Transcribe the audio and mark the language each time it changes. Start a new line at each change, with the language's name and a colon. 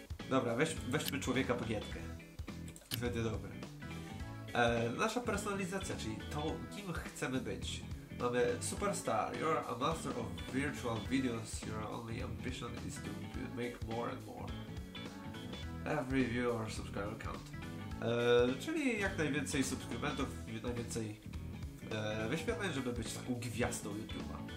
Polish: Dobra, weźmy człowieka bagietkę. Będzie dobre. Nasza personalizacja, czyli to, kim chcemy być. Mamy superstar.
English: You're a master of virtual videos. Your only ambition is to make more and more. Every viewer subscriber count.
Polish: Czyli jak najwięcej subskrybentów, najwięcej wyświetleń, żeby być taką gwiazdą YouTube'a.